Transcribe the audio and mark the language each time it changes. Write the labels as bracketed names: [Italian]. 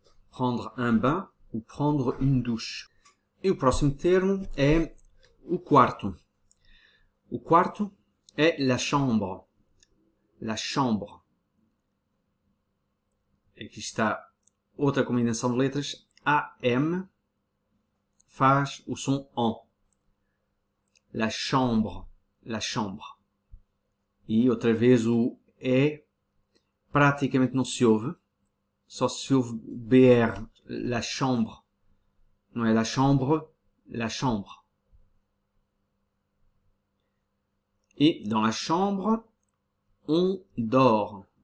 [French] Prendre un bain ou prendre une douche. [Portuguese] E o próximo termo é o quarto. O quarto é [French] la chambre. La chambre. [Portuguese] Aqui está outra combinação de letras. AM faz o som AN. [French] La chambre. La chambre. [Portuguese] E outra vez o E praticamente não se ouve. Só se ouve BR, [French] la chambre. [Portuguese] Não é [French] la chambre, la chambre. E dans la chambre, on dort.